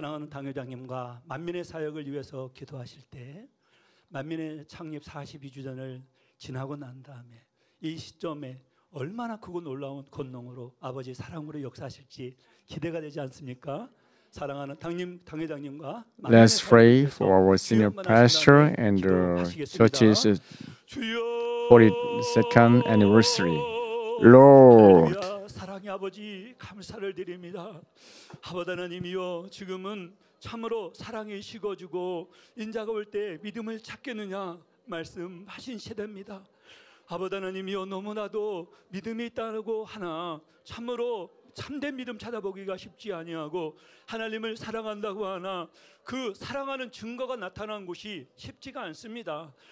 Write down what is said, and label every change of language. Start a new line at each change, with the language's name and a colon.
Korean: Dangyo장님과 만민의 사역을 위해서 기도하실 때 만민의 창립 42주년을 지나고 난 다음에 이 시점에 얼마나 크고 놀라운 권능으로 아버지 사랑으로 역사하실지 기대가 되지 않습니까? 사랑하는 당회장님과
English: Let's pray for our senior pastor and the church's 42nd anniversary. Lord,
Korean: 사랑의 아버지 감사를 드립니다. 아버지 하나님이여, 지금은 참으로 사랑이 식어주고 인자가 올 때 믿음을 찾겠느냐 말씀하신 시대입니다. 아버지 하나님이여, 너무나도 믿음이 있다고 하나 참으로 참된 믿음 찾아보기가 쉽지 아니하고 하나님을 사랑한다고 하나 그 사랑하는 증거가 나타난 곳이 쉽지가 않습니다.